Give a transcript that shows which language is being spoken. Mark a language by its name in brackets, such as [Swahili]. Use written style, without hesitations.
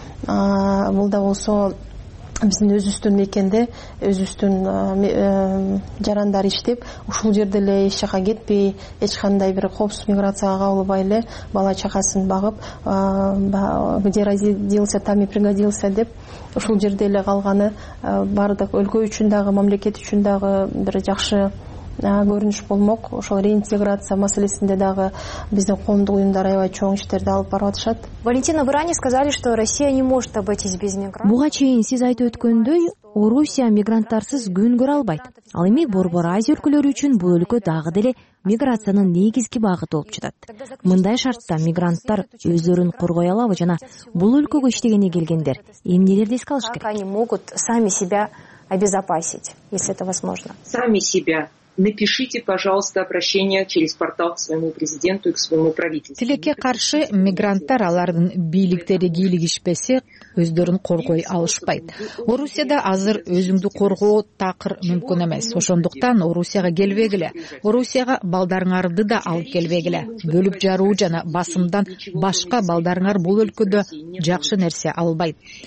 [Kyrgyz] Бул да болсо биздин өзүбүздүн мекенде өзүбүздүн жарандар иштеп ушул жерде эле эч жака кетпей, эч кандай бир коопсуз миграцияга кабылбай эле бала чакасын багып, [Russian] где родился, там и пригодился [Kyrgyz] деп ушул жерде эле калганы баардык өлкө үчүн дагы, мамлекет үчүн дагы бир жакшы көрүнүш болмок. Ошол реинтеграция маселесинде дагы биздин коомдук уюмдар аябай чоң иштерди алып барып атышат. [Russian] Валентина, вы ранее сказали, что Россия не может обойтись без мигрантов. [Kyrgyz] Буга чейин сиз айтып өткөндөй, Орусия мигранттарсыз күн көрө албайт. Ал эми Борбор Азия өлкөлөрү үчүн бул өлкө дагы деле миграциянын негизги багыты болуп жатат. Мындай шартта мигранттар өздөрүн коргой алабы жана бул өлкөгө иштегенге келгендер эмнелерди эске алыш керек? [Russian] Они могут сами себя обезопасить, если это возможно. Сами себя Напишите, пожалуйста, обращение через портал к своему президенту и к своему правительству. [Kyrgyz] Тилекке каршы мигранттар алардын бийликтери кийлигишпесе өздөрүн коргой алышпайт. Орусияда азыр өзүңдү коргоо такыр мүмкүн эмес. Ошондуктан Орусияга келбегиле. Орусияга балдарыңарды да алып келбегиле. Бөлүп жаруу жана басымдан башка балдарыңар бул өлкөдө жакшы нерсе албайт.